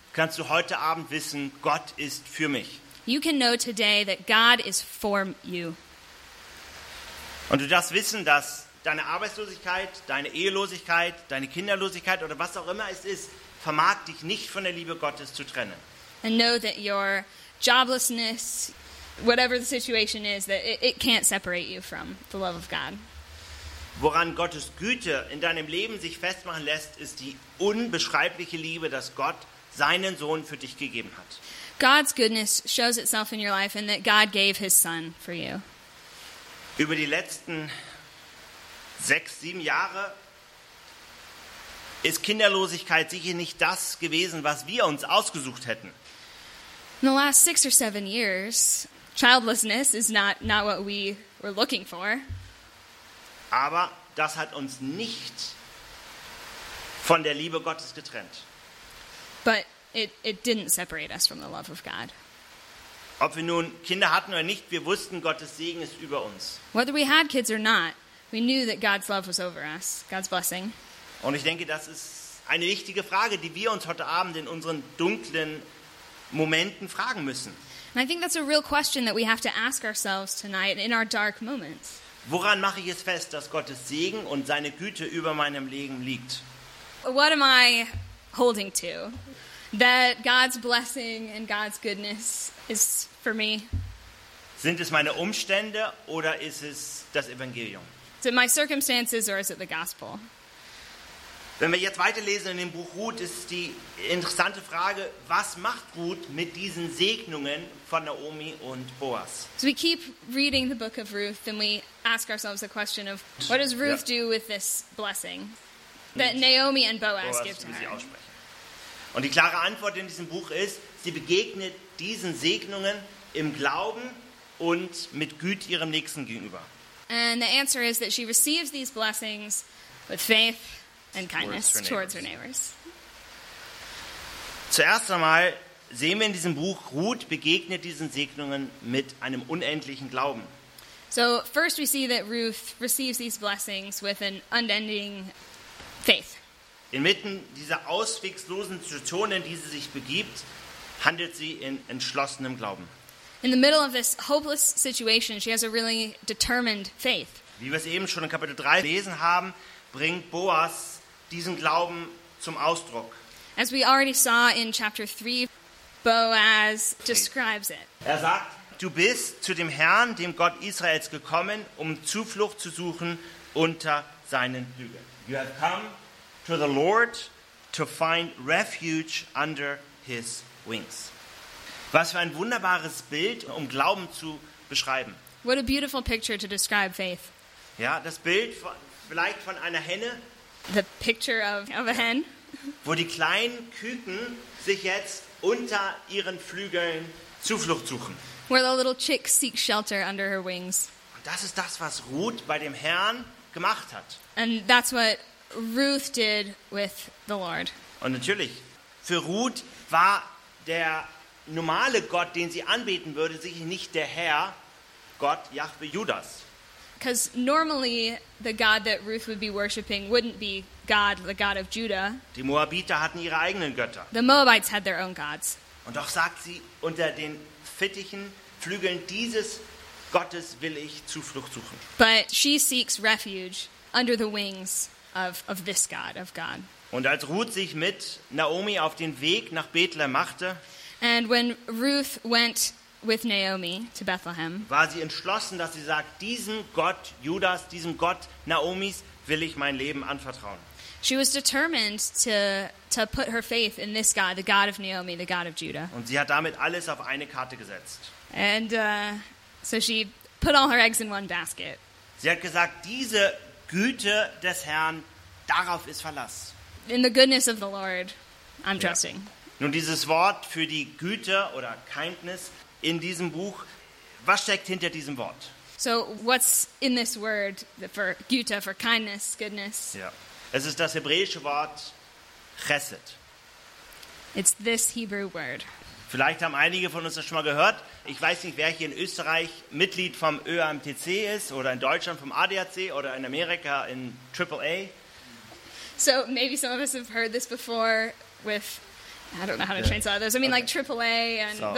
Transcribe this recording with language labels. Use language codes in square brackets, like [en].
[de] kannst du heute Abend wissen, Gott ist für mich. [en] You can know today that God is for you. [de] Und du darfst wissen, dass deine Arbeitslosigkeit, deine Ehelosigkeit, deine Kinderlosigkeit oder was auch immer es ist, vermag dich nicht von der Liebe Gottes zu trennen. [en] And know that your joblessness, whatever the situation is, that it can't separate you from the love of God. [de] Woran Gottes Güte in deinem Leben sich festmachen lässt, ist die unbeschreibliche Liebe, dass Gott seinen Sohn für dich gegeben hat. [en] God's goodness shows itself in your life in that God gave his son for you. [de] Über die letzten 6-7 Jahre ist Kinderlosigkeit sicher nicht das gewesen, was wir uns ausgesucht hätten. [en] In the last 6 or 7 years, childlessness is not what we were looking for. [de] Aber das hat uns nicht von der Liebe Gottes getrennt. [en] But it didn't separate us from the love of God. [de] Ob wir nun Kinder hatten oder nicht, wir wussten, Gottes Segen ist über uns. [en] Whether we had kids or not, we knew that God's love was over us, God's blessing. [de] Und ich denke, das ist eine wichtige Frage, die wir uns heute Abend in unseren dunklen Momenten fragen müssen. [en] And I think that's a real question that we have to ask ourselves tonight in our dark moments. [de] Woran mache ich es fest, dass Gottes Segen und seine Güte über meinem Leben liegt? [en] What am I holding to? That God's blessing and God's goodness is for me? [de] Sind es meine Umstände oder ist es das Evangelium? [en] Is it my circumstances or is it the gospel? [de] Wenn wir jetzt weiterlesen in dem Buch Ruth, ist die interessante Frage, was macht Ruth mit diesen Segnungen von Naomi und Boaz? [en] So we keep reading the book of Ruth and we ask ourselves the question of what does Ruth do with this blessing that Naomi and Boaz give to her? [de] Und die klare Antwort in diesem Buch ist, sie begegnet diesen Segnungen im Glauben und mit Güte ihrem Nächsten gegenüber. [en] And the answer is that she receives these blessings with faith and kindness towards her neighbors. [de] Zuerst einmal sehen wir in diesem Buch, Ruth begegnet diesen Segnungen mit einem unendlichen Glauben. [en] So first we see that Ruth receives these blessings with an unending faith. [de] Inmitten dieser ausweglosen Situation, in die sie sich begibt, handelt sie in entschlossenem Glauben. [en] In the middle of this hopeless situation, she has a really determined faith. [de] Wie wir es eben schon in Kapitel 3 gelesen haben, bringt Boas diesen Glauben zum Ausdruck. [en] As we already saw in chapter 3, Boaz describes it. [de] Er sagt, du bist zu dem Herrn, dem Gott Israels, gekommen, um Zuflucht zu suchen unter seinen Flügeln. [en] You have come to the Lord to find refuge under his wings. [de] Was für ein wunderbares Bild, um Glauben zu beschreiben. [en] What a beautiful picture to describe faith. [de] Ja, das Bild von, vielleicht von einer Henne. [en] The picture of a hen. [de] Wo die kleinen Küken sich jetzt unter ihren Flügeln Zuflucht suchen. [en] Where the little chicks seek shelter under her wings. [de] Und das ist das, was Ruth bei dem Herrn gemacht hat. [en] And that's what Ruth did with the Lord. [de] Und natürlich, für Ruth war der normale Gott, den sie anbeten würde, sicher nicht der Herr, Gott Jahwe Judas. [en] Because normally the God that Ruth would be worshiping wouldn't be God, the God of Judah. [de] Die Moabiter hatten ihre eigenen Götter. [en] The Moabites had their own gods. [de] Und doch sagt sie, unter den fittigen Flügeln dieses Gottes will ich Zuflucht suchen. [en] But she seeks refuge under the wings of this God, of God. [de] Und als Ruth sich mit Naomi auf den Weg nach Bethlehem machte, [en] and when Ruth went with Naomi to Bethlehem, [de] war sie entschlossen, dass sie sagt, diesem Gott Judas, diesem Gott Naomis will ich mein Leben anvertrauen. [en] She was determined to put her faith in this God, the God of Naomi, the God of Judah. [de] Und sie hat damit alles auf eine Karte gesetzt. [en] And so she put all her eggs in one basket. [de] Sie hat gesagt, diese Güte des Herrn, darauf ist Verlass. [en] In the goodness of the Lord, I'm trusting. [de] Nun, dieses Wort für die Güte oder Kindness in diesem Buch, was steckt hinter diesem Wort? [en] So, what's in this word for Güte, for kindness, goodness? [de] Ja, es ist das hebräische Wort Chesed. [en] It's this Hebrew word. [de] Vielleicht haben einige von uns das schon mal gehört. Ich weiß nicht, wer hier in Österreich Mitglied vom ÖAMTC ist oder in Deutschland vom ADAC oder in Amerika in AAA. [en] So, maybe some of us have heard this before with, I don't know how to translate those. I mean, like AAA and